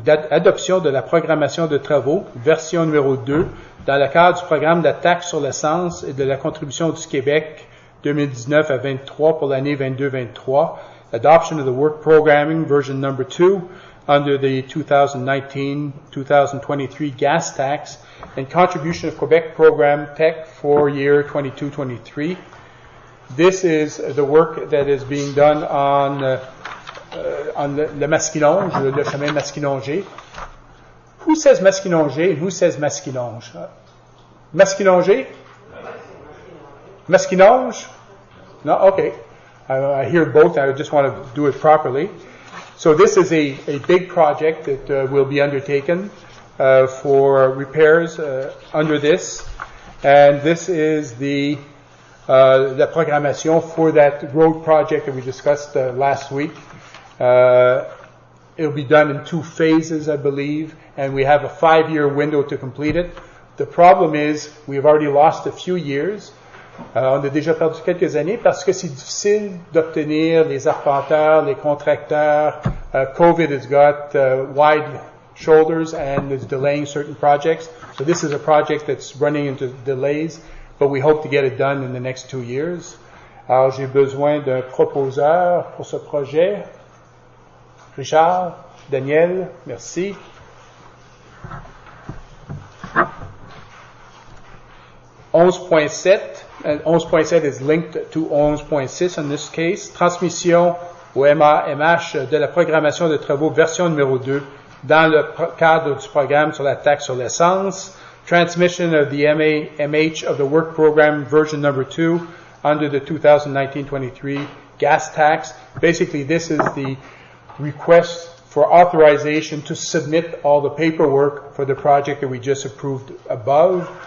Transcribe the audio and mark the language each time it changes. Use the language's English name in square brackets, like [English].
[French] Adoption de la programmation de travaux, version numéro 2, dans le cadre du programme de la taxe sur l'essence et de la contribution du Québec 2019 à 23 pour l'année 22-23. [English] Adoption of the work programming, version number 2, under the 2019-2023 gas tax and contribution of Quebec program tech for year 22-23. This is the work that is being done on le Masquinonge, le chemin Masquinongé. Who says Masquinongé and who says Masquinonge? Masquinongé? Masquinonge? No? Okay. I hear both. I just want to do it properly. So this is a big project that will be undertaken for repairs under this. And this is the programmation for that road project that we discussed last week. It'll be done in two phases, I believe, and we have a five-year window to complete it. The problem is we've already lost a few years. [French] On a déjà perdu quelques années parce que c'est difficile d'obtenir les arpenteurs, les contracteurs. [English] COVID has got wide shoulders and is delaying certain projects. So this is a project that's running into delays, but we hope to get it done in the next 2 years. [French] Alors, j'ai besoin d'un proposeur pour ce projet. Richard, Daniel, merci. [English] And 11.7 is linked to 11.6 in this case. [French] Transmission au MAMH de la programmation de travaux version numéro 2 dans le cadre du programme sur la taxe sur l'essence. [English] Transmission of the MAMH of the work program version number 2 under the 2019-23 gas tax. Basically, this is the request for authorization to submit all the paperwork for the project that we just approved above.